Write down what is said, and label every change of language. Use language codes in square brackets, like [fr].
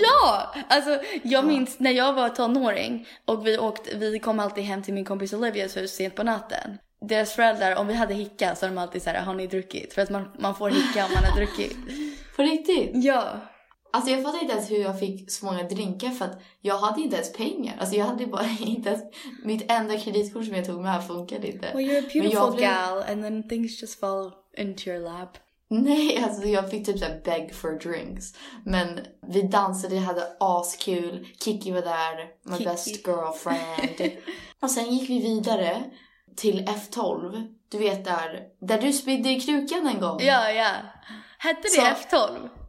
[sv] Ja, alltså jag minns när jag var tonåring och vi kom alltid hem till min kompis Olivias hus sent på natten. Deras föräldrar, om vi hade hicka, så de alltid så här, har ni druckit? För att man får hicka om man har druckit. På riktigt? Ja. Alltså jag fattar inte ens hur jag fick så många drinkar, för att jag hade inte ens pengar. Alltså jag hade bara inte ens, mitt enda kreditkort som jag tog med funkade inte. [en] Well, you're a beautiful gal and then things just fall into your lap. [sv] Nej, alltså jag fick typ såhär [en] beg for drinks. [sv] Men vi dansade, vi hade askul. Kiki var där, [en] my best girlfriend. [sv] Och sen gick vi vidare till F12. Du vet där du spidde i krukan en gång. Ja, ja. Hette det F12?